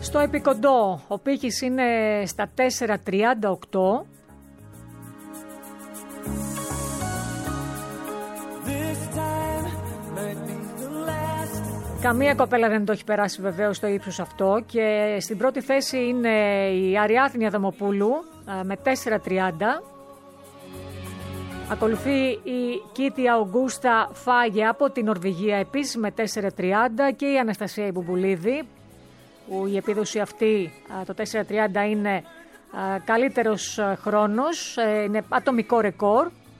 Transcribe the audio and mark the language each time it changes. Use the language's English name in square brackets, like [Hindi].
[Greek] Στο επικοντό, ο πήχης είναι στα 4,38. [English] This time might be the last. [Greek] Καμία κοπέλα δεν το έχει περάσει βεβαίως το ύψος αυτό και στην πρώτη θέση είναι η Αριάθνη Αδαμοπούλου με 4,30. Ακολουθεί η Κίτη Αουγκούστα Φάγε από την Νορβηγία επίσης με 4,30 και η Αναστασία Ιμπουμπουλίδη που η επίδοση αυτή το 4,30 είναι καλύτερος χρόνος, είναι ατομικό ρεκόρ.